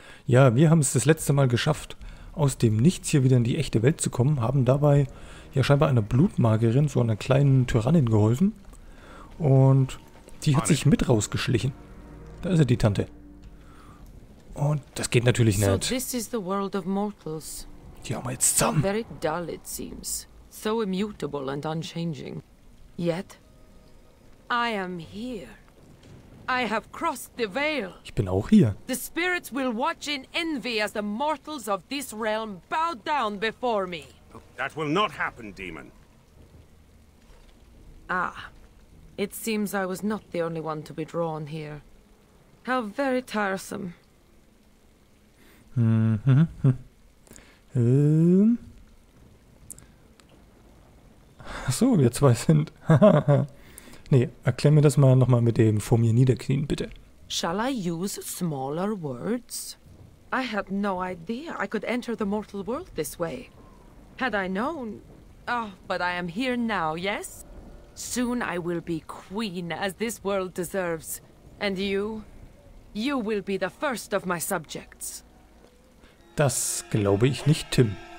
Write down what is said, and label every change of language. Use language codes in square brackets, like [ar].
[de] Ja, wir haben es das letzte Mal geschafft, aus dem Nichts hier wieder in die echte Welt zu kommen, haben dabei ja scheinbar einer Blutmagerin, so einer kleinen Tyrannin geholfen. Und die hat sich mit rausgeschlichen. Da ist ja die Tante. Und das geht natürlich nicht. [en] So, this is the world of mortals. [de] Die haben wir jetzt zusammen. [en] Very dull, it seems. So immutable and unchanging. Yet, I am here. I have crossed the veil. [de] Ich bin auch hier. [en] The spirits will watch in envy as the mortals of this realm bow down before me. That will not happen, demon. Ah, it seems I was not the only one to be drawn here. How very tiresome. [de] Achso, wir zwei sind. Nee, erklär mir das mal nochmal mit dem vor mir niederknien, bitte. [en] Shall I use smaller words? I had no idea I could enter the mortal world this way. Had I known. Oh, but I am here now, yes? Soon I will be queen as this world deserves. And you? You will be the first of my subjects. [de] Das glaube ich nicht, Tim.